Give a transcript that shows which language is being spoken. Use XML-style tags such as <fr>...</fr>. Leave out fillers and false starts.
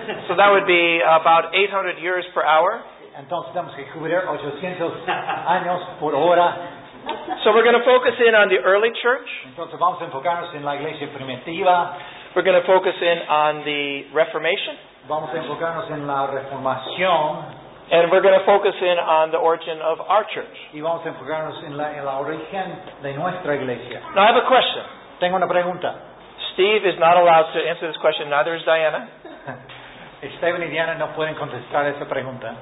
<en>So that would be about 800 years per hour.</en> <es>Entonces tenemos que cubrir 800 años por hora.</es> <en>So we're going to focus in on the early church.</en> <es>Entonces vamos a enfocarnos en la iglesia primitiva.</es> <en>We're going to focus in on the Reformation.</en> <es>Vamos a enfocarnos en la reformación.</es> <en>And we're going to focus in on the origin of our church.</en> <es>Y vamos a enfocarnos en la origen de nuestra iglesia.</es> <en>Now I have a question.</en> <es>Tengo una pregunta.</es> <en>Steve is not allowed to answer this question, neither is Diana.</en> <es>Steve y Diana no pueden contestar esa pregunta.</es>